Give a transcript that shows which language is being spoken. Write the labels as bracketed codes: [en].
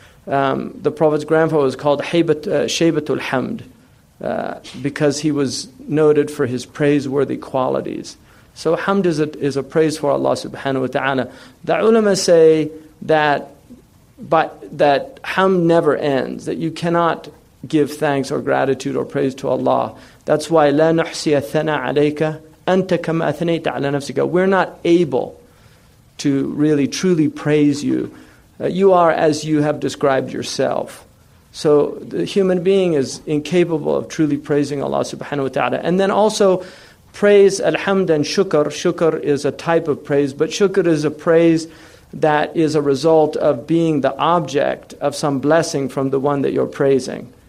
[en] The Prophet's grandfather was called Shaybatul Hamd because he was noted for his praiseworthy qualities. So hamd is a praise for Allah subhanahu wa ta'ala. The ulama say that hamd never ends, that you cannot give thanks or gratitude or praise to Allah. That's why [ar] لا نحصي الثناء عليك أنت كما أثنيت على نفسك. [en] We're not able to really truly praise you. You are as you have described yourself. So the human being is incapable of truly praising Allah subhanahu wa ta'ala. And then also praise alhamd and shukr. Shukr is a type of praise, but shukr is a praise that is a result of being the object of some blessing from the one that you're praising.